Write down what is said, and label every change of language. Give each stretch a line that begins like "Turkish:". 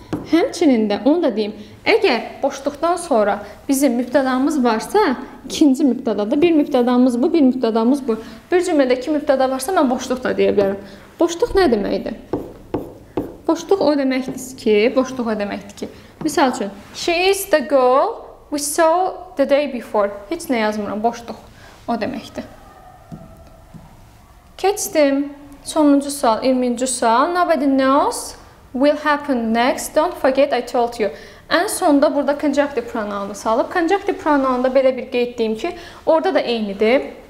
Azerbaijani: Həmçinin də, onu da deyim, əgər boşluqdan sonra bizim mübtədamız varsa, ikinci mübtədadır. Bir mübtədamız bu, bir mübtədamız bu. Bir cümlədə iki mübtəda varsa, mən boşluq da deyə bilərəm. Boşluq nə deməkdir? Boşluq o deməkdir ki, boşluq o deməkdir ki. Misal üçün,
English: she is the girl we saw the day before.
Azerbaijani: Heç nə yazmıram, boşluq o deməkdir. Keçdim. Sonuncu sual, 20-ci sual.
English: Nobody knows will happen next. Don't forget I told you.
Azerbaijani: Ən sonda burada conjunctive pronounu salıb. Conjunctive pronounda belə bir qeyd deyim ki, orada da eynidir.